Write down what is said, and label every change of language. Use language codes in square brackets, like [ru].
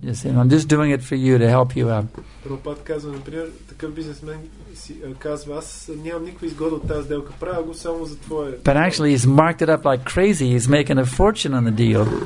[en] You see, I'm just doing it for you to help you out. [bg] Prabhupada казва, например, такъв бизнесмен казва, аз нямам никаква изгода от тази сделка, правя го само за твое. [en] But actually, he's marked it up like crazy. He's making a fortune on the deal.